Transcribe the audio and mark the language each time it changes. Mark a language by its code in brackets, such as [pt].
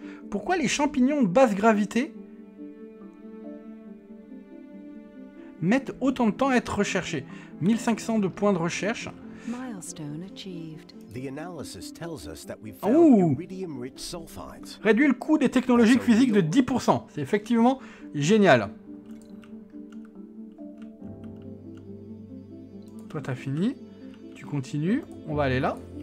[fr] Pourquoi les champignons de basse gravité mettent autant de temps à être recherchés? 1500 de points de recherche. [en] Milestone achieved. The analysis tells us that we've found iridium-rich sulfides. [fr] Réduit le coût des technologies physiques de 10%. C'est effectivement génial. Toi, t'as fini. Tu continues. On va aller là.